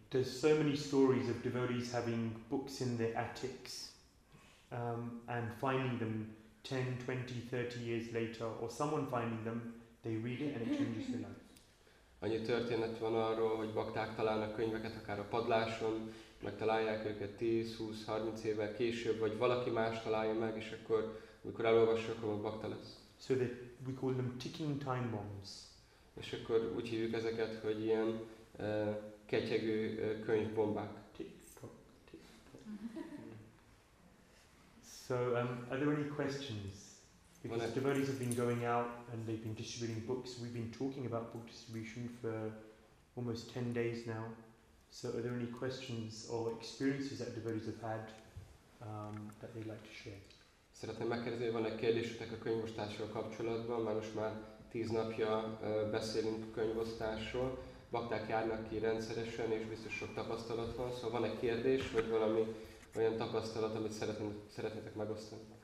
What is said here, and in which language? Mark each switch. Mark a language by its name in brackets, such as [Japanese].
[English] There's so many stories of devotees having books in their attics and finding them 10, 20, 30 years later or someone finding them, they read it and it changes their life. [Hungarian] Annyi történet van arról, hogy bakták találnak könyveket akár a padláson, megtalálják őket 10, 20, 30 évvel később, vagy valaki más találja meg, és akkor, amikor elolvassa, akkor a bakta lesz. [English] So that we call them ticking time bombs. [Hungarian] És akkor úgy hívjuk ezeket, hogy ilyen ketyegő könyvbombák. [English] Tick-tock, tick-tock. So, are there any questions? Because the devotees have been going out and they've been distributing books. We've been talking about book distribution for almost 10 days now. So are there any questions or experiences that devotees have had that they'd like to share? [Hungarian] Szeretném megkérdezni, hogy van-e kérdésetek a könyvosztásról kapcsolatban, mert most már 10 napja beszélünk könyvosztásról. Bakták járnak ki rendszeresen, és biztos sok tapasztalat van. Szóval van-e kérdés, vagy valami olyan tapasztalat, amit szeretnétek megosztani?